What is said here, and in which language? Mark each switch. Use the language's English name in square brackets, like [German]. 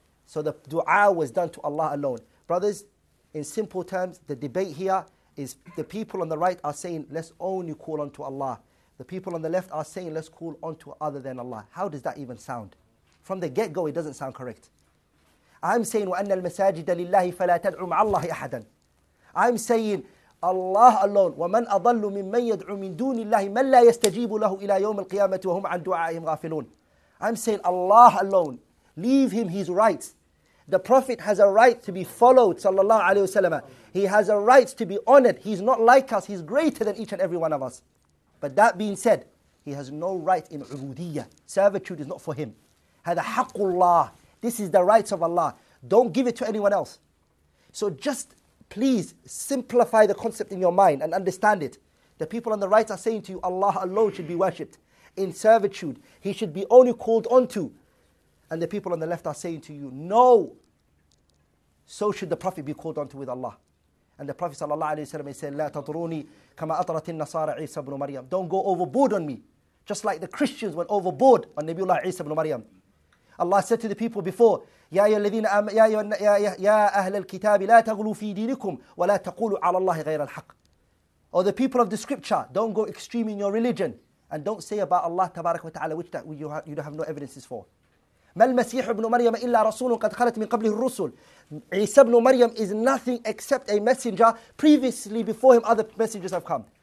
[English] So the dua was done to Allah alone. Brothers, in simple terms, the debate here is the people on the right are saying, let's only call unto Allah. The people on the left are saying, let's call unto other than Allah. How does that even sound? From the get-go, it doesn't sound correct. I'm saying, [Arabic] وَأَنَّ الْمَسَاجِدَ لِلَّهِ فَلَا تَدْعُوا مَعَ اللَّهِ أَحَدًا. [English] I'm saying, Allah alone, [Arabic] وَمَنْ أَضَلُّ مِمَّنْ يَدْعُوا مِنْ دُونِ اللَّهِ مَنْ لَا يَسْتَجِيبُ لَهُ إِلَى يَوْمِ الْقِيَامَةِ وَهُمْ عَنْ دُعَائِهِمْ غَافِلُونَ. [English] I'm saying, Allah alone, leave him his rights. The Prophet has a right to be followed, sallallahu alayhi wa sallam. He has a right to be honored. He's not like us. He's greater than each and every one of us. But that being said, he has no right in ubudiyyah. Servitude is not for him. Hada haqqullah. This is the rights of Allah. Don't give it to anyone else. So just please simplify the concept in your mind and understand it. The people on the right are saying to you, Allah alone should be worshipped. In servitude, he should be only called onto. And the people on the left are saying to you, no. So should the Prophet be called onto with Allah. And the Prophet sallallahu alayhi wa sallam said, [Arabic] لا تطروني كما أطرت النصارى عيسى بن مريم. [English] Don't go overboard on me. Just like the Christians went overboard on Nabiullah Isa ibn Maryam. Allah said to the people before, [Arabic] يَا أَيُّهَا الَّذِينَ آمَنُوا يَا أَهْلَ الْكِتَابِ لَا تَغْلُوا فِي دِينِكُمْ وَلَا تَقُولُوا عَلَى اللَّهِ غَيْرَ الْحَقِّ. [English] Oh, the people of the scripture, don't go extreme in your religion. And don't say about Allah tabarak wa ta'ala, which that you have no evidences for. [Arabic] مَا الْمَسِيحُ ابْنُ مَرْيَمَ إِلَّا رَسُولٌ قَدْ خَلَتْ مِنْ قَبْلِهِ الرُّسُلُ. [English] Isa ibn Maryam is nothing except a messenger. Previously, before him, other messengers have come.